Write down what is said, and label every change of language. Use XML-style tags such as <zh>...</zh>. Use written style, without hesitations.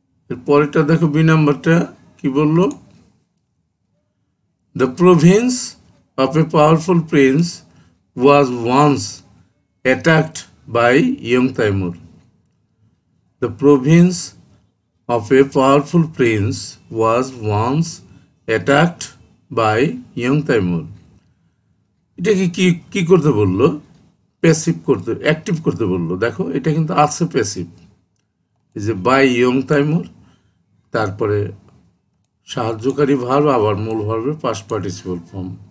<bn>এরপরেটা দেখো বি নাম্বারটা কি বলল,</bn> <en>The province of a powerful prince was once attacked by young Taimur. The province of a powerful prince was once attacked by young Taimur.</en> <bn>এটা কি কি করতে বললো, প্যাসিভ করতে, অ্যাক্টিভ করতে বললো। দেখো এটা কিন্তু আছে প্যাসিভ, এই যে বাই ইয়ং তাইমুর, তারপরে সাহায্যকারী ভার্ব, আবার মূল ভার্বের পাস্ট পার্টিসিপল ফর্ম।</bn>